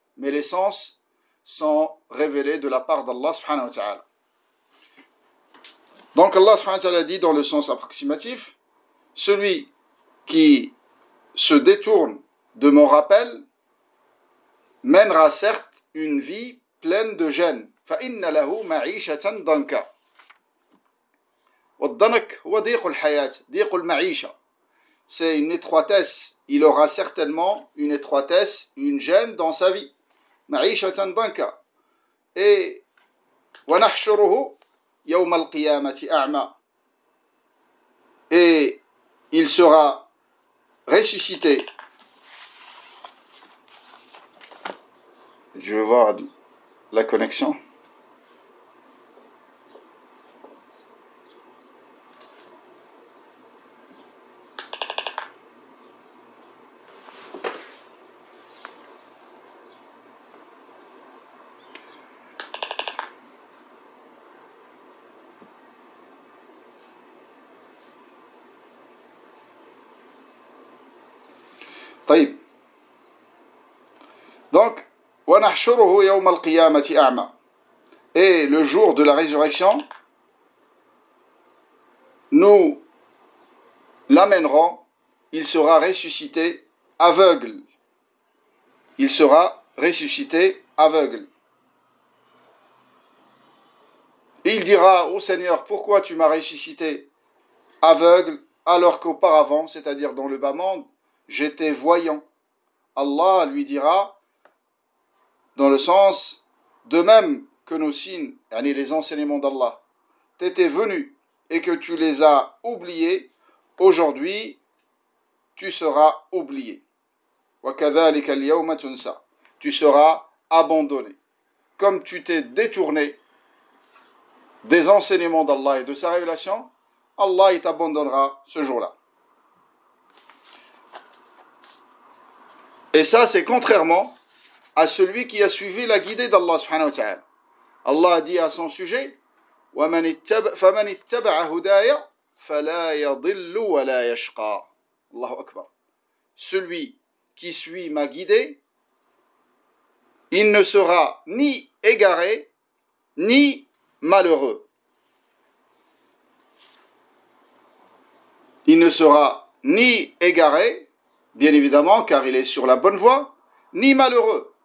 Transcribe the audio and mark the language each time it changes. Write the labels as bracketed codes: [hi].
[fr] Mais l'essence sont révélés de la part d'Allah subhanahu wa ta'ala. Donc Allah subhanahu wa ta'ala dit dans le sens approximatif, celui qui se détourne de mon rappel mènera certes une vie pleine de gêne. [ar] فإن له معيشة ضنكا. والضنك هو ضيق الحياة, ضيق المعيشة. [fr] C'est une étroitesse. Il aura certainement une étroitesse, une gêne dans sa vie. [ar] معيشة ضنكا. Et ونحشره يوم القيامة أعمى. [fr] Et il sera ressuscité. Je vais voir la connexion. [ar] Donc, وَنَحْشُرُهُ يَوْمَ الْقِيَامَةِ أَعْمَى. [fr] Et le jour de la résurrection, nous l'amènerons, il sera ressuscité aveugle. Il sera ressuscité aveugle. Et il dira, ô Seigneur, pourquoi tu m'as ressuscité aveugle alors qu'auparavant, c'est-à-dire dans le bas-monde, j'étais voyant. Allah lui dira, dans le sens, de même que nos signes, yani les enseignements d'Allah, t'étaient venus et que tu les as oubliés, aujourd'hui, tu seras oublié. [ar] وَكَذَلِكَ الْيَوْمَ تُنْسَى. [fr] Tu seras abandonné. Comme tu t'es détourné des enseignements d'Allah et de sa révélation, Allah t'abandonnera ce jour-là. Et ça, c'est contrairement à celui qui a suivi la guidée d'Allah subhanahu wa ta'ala. Allah a dit à son sujet, [ar] فَمَنْ اتَّبَعَ هُدَايَ فَلَا يَضِلُّ وَلَا يَشْقَى. Allahu Akbar. [fr] Celui qui suit ma guidée, il ne sera ni égaré, ni malheureux. Il ne sera ni égaré, bien évidemment, car il est sur la bonne voie, ni malheureux.